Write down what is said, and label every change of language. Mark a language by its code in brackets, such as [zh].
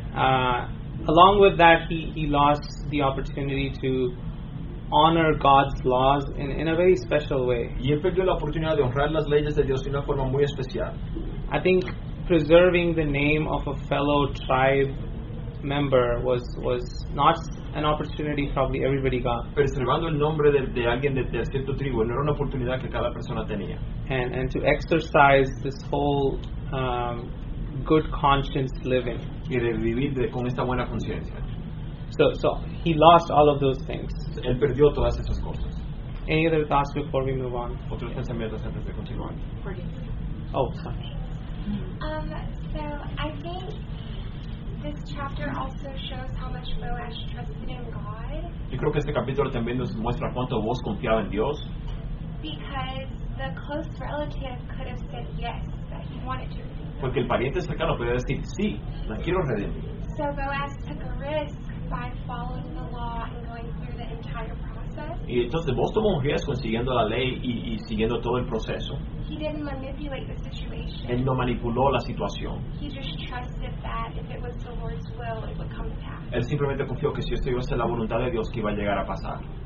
[en] Along with that, he lost the opportunity to honor God's laws in a very special way. [es] Y él perdió la oportunidad de honrar las leyes de Dios de una forma muy especial. [en] I think preserving the name of a fellow tribe member was not an opportunity probably everybody got. [es] Preservando el nombre de alguien de cierto tribu no era una oportunidad que cada persona tenía. [en] And to exercise this whole good conscience living. [es] Y de vivir con esta buena conciencia. [en] So he lost all of those things. [es] Él perdió todas esas cosas. [en] Any other thoughts before we move on? [es] Otros pensamientos antes de continuar. [en] Oh, sorry. So I think this chapter also shows how much Boaz trusted in God. [es] Yo creo que este capítulo también nos muestra cuánto Boaz confiaba en Dios. [en] Because the close relative could have said yes, that he wanted to redeem. [es] Porque el pariente cercano podía decir sí, la quiero redimir. [en] So Boaz took a risk by following the law and going through the entire process. [es] Y entonces Boaz tomó un riesgo siguiendo la ley y siguiendo todo el proceso. [en] He didn't manipulate the situation. [es] Él no manipuló la situación. [en] He just trusted that if it was the Lord's will, it would come to pass. [es] Él simplemente confió que si esto iba a ser la voluntad de Dios, que iba a llegar a pasar.